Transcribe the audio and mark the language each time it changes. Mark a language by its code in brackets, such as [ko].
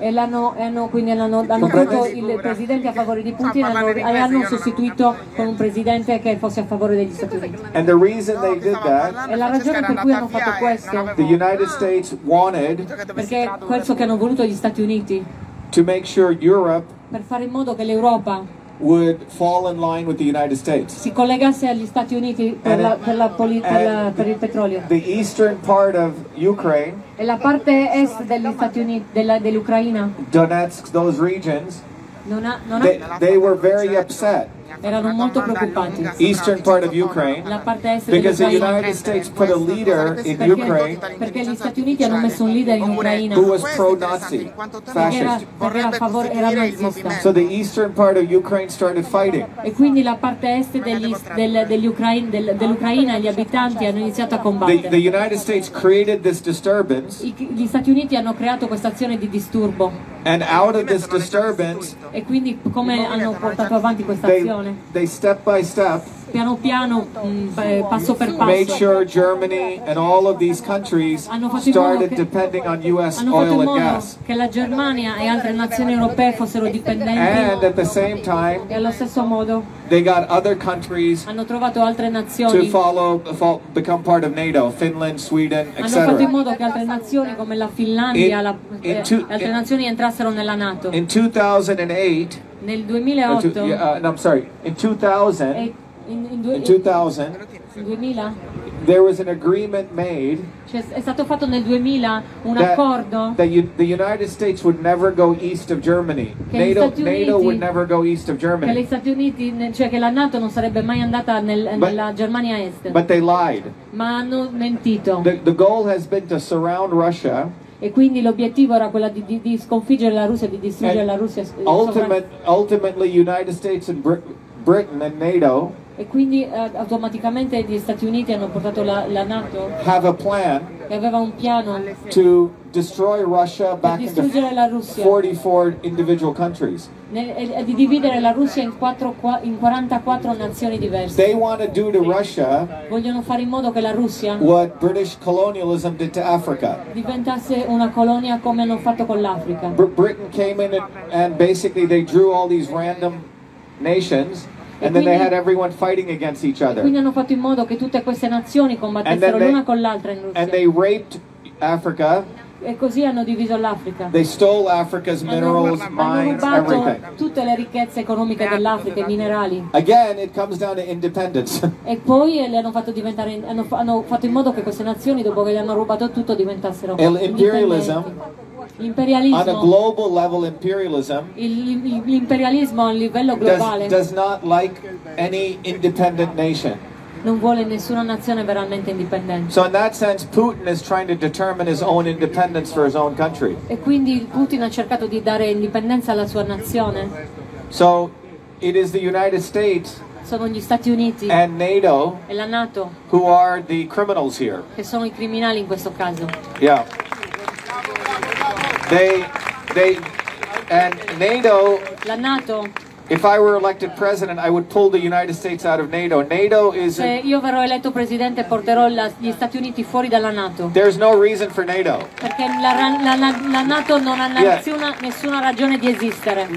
[it] E hanno tolto il presidente a favore di Putin e l'hanno sostituito con un presidente che fosse a favore degli Stati Uniti. [en] And the reason they did that, [it] e la ragione per cui hanno fatto questo, [en] the United States wanted, [it] perché questo che hanno voluto gli Stati Uniti, [en] to make sure Europe, [it] per fare in modo che l'Europa [en] would fall in line with the United States. [it] Si collegasse agli Stati Uniti per il petrolio. [en] The eastern part of Ukraine. [it] E la parte est degli Stati Uniti dell'Ucraina. [en] Donetsk, those regions. They were very upset. [it] Erano molto preoccupati. [en] Eastern part of Ukraine. [it] La parte est dell'Ucraina. [en] Because the United States put a leader in Ukraine. [it] Perché gli Stati Uniti hanno messo un leader in Ucraina. [en] Who was pro-Nazi, fascist. [it] Era nazista. [en] So the eastern part of Ukraine started fighting. [it] E quindi la parte est dell'Ucraina, gli abitanti hanno iniziato a combattere. [en] The United States created this disturbance. [it] Gli Stati Uniti hanno creato questa azione di disturbo. [en] And out of this disturbance. [it] E quindi come hanno portato avanti questa azione? [en] They step by step, [it] piano piano, passo per passo, [en] made sure Germany and all of these countries started depending on U.S. oil and gas. [it] Che la Germania e altre nazioni europee fossero dipendenti. [en] And at the same time, [it] e allo stesso modo, [en] they got other countries, [it] hanno trovato altre nazioni, [en] to follow, become part of NATO, Finland, Sweden, etc. [it] Hanno fatto in modo che altre nazioni come la Finlandia, altre nazioni entrassero nella NATO. [en] In 2008, [it] nel 2008, [en] in 2000. In 2000, 2000, there was an agreement made. [it] È stato fatto nel 2000 un accordo. [en] That the United States would never go east of Germany. NATO would never go east of Germany. [it] Che gli Stati Uniti, cioè che la NATO non sarebbe mai andata nella Germania est. [en] But they lied. [it] Ma hanno mentito. [en] The goal has been to surround Russia. [it] E quindi l'obiettivo era quello di sconfiggere la Russia, di distruggere la Russia. [en] Ultimately, United States and Britain and NATO. [it] E quindi automaticamente gli Stati Uniti hanno portato la NATO. [en] Have a plan. [it] Che aveva un piano. [en] To destroy Russia back [it] into la Russia. [en] 44 individual countries. [it] E di dividere la Russia in 44 nazioni diverse. [en] They want to do to Russia. [it] Vogliono fare in modo che la Russia. [en] What British colonialism did to Africa. [it] Diventasse una colonia come hanno fatto con l'Africa. [en] Britain came in and basically they drew all these random nations. And then they had everyone fighting against each other. [it] Quindi hanno fatto in modo che tutte queste nazioni combattessero l'una con l'altra in Russia. [en] And they raped Africa. [it] E così hanno diviso l'Africa. [en] They stole Africa's minerals, mines, [it] Hanno rubato tutte le ricchezze economiche dell'Africa, i minerali. [en] Again, it comes down to independence. [it] E poi le hanno fatto diventare, hanno fatto in modo che queste nazioni, dopo che le hanno rubato tutto, diventassero indipendenti. [en] On a global level, imperialism [it] l'imperialismo a livello globale [en] does not like any independent nation. [it] Non vuole nessuna nazione veramente indipendente. [en] So in that sense, Putin is trying to determine his own independence for his own country. [it] E quindi Putin ha cercato di dare indipendenza alla sua nazione. [en] So it is the United States. [it] Sono gli Stati Uniti [en] and NATO [it] e la NATO [en] who are the criminals here. [it] Che sono i criminali in questo caso. [en] Yeah. They and NATO. [it] La NATO. [en] If I were elected president, I would pull the United States out of NATO. NATO is. [it] Se io verrò eletto presidente, porterò gli Stati Uniti fuori dalla NATO. [en] There's no reason for NATO. [it] Perché la NATO non ha nessuna ragione di esistere.